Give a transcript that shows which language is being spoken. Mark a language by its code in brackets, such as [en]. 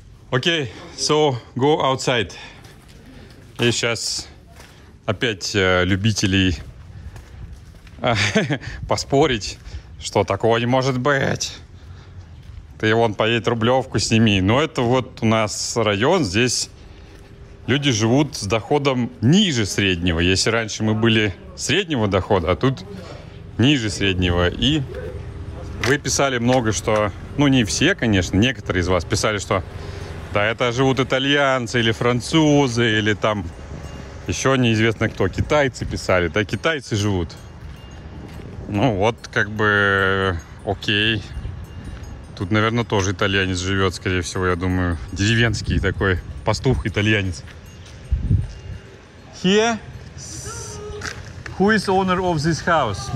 [en] Окей, so go outside. [ru] И сейчас опять любителей поспорить, что такого не может быть. Ты вон поедет Рублевку сними. Но это вот у нас район здесь. Люди живут с доходом ниже среднего. Если раньше мы были среднего дохода, а тут ниже среднего. И вы писали много, что... Ну, не все, конечно, некоторые из вас писали, что... Да, это живут итальянцы или французы, или там еще неизвестно кто. Китайцы писали. Да, китайцы живут. Ну, вот как бы окей. Тут, наверное, тоже итальянец живет, скорее всего, я думаю. Деревенский такой пастух-итальянец. [en] Here, who is owner of this house?